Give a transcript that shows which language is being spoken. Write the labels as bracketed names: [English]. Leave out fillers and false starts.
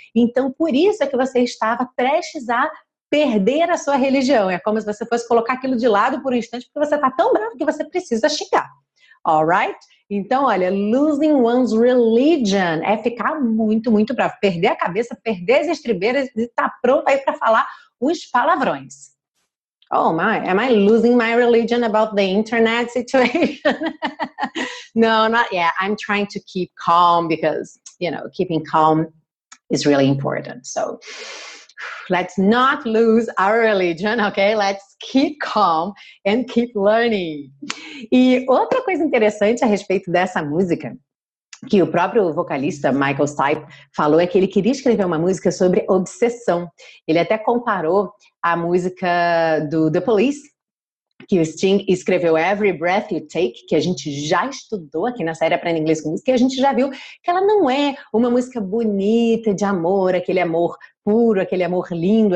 [Portuguese] Então, por isso é que você estava prestes a perder a sua religião. É como se você fosse colocar aquilo de lado por um instante, porque você está tão bravo que você precisa xingar. [English] All right? [Portuguese] Então, olha, [English] losing one's religion [Portuguese] é ficar muito, muito bravo, perder a cabeça, perder as estribeiras e estar pronto aí para falar os palavrões. [English] Oh my, am I losing my religion about the internet situation? No, not yet. I'm trying to keep calm because, you know, keeping calm is really important. So let's not lose our religion, okay? Let's keep calm and keep learning. [Portuguese] E outra coisa interessante a respeito dessa música, que o próprio vocalista Michael Stipe falou, é que ele queria escrever uma música sobre obsessão. Ele até comparou a música do The Police, que o Sting escreveu Every Breath You Take, que a gente já estudou aqui na série Aprenda Inglês com Música, e a gente já viu que ela não é uma música bonita de amor, aquele amor puro, aquele amor lindo.